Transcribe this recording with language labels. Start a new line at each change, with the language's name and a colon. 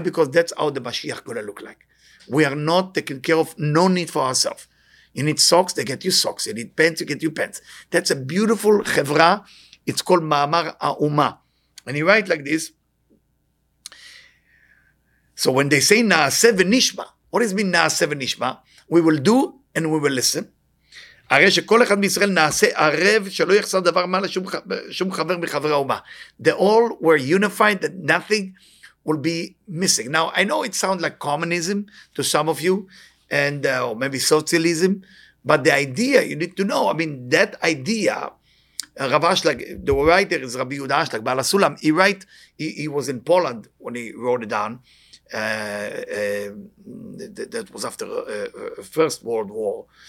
English: Because that's how the Mashiach is going to look like. We are not taking care of no need for ourselves. You need socks, they get you socks. You need pants, you get you pants. That's a beautiful chevra. It's called Ma'amar Ha'uma. And he writes like this. So when they say Na'aseh V'Nishma, what does it mean Na'aseh V'Nishma? We will do and we will listen.
Hebrew: הרי שכל אחד מישראל נעשה ערב שלא יחסר דבר מעלה שום חבר מחבר האומה.
English: They all were unified that nothing will be missing. Now, I know it sounds like communism to some of you, and or maybe socialism, but the idea you need to know, I mean, that idea, Rav Ashlag, the writer is Rabbi Yehuda Ashlag, Baal HaSulam, he write, he was in Poland when he wrote it down, that was after First World War,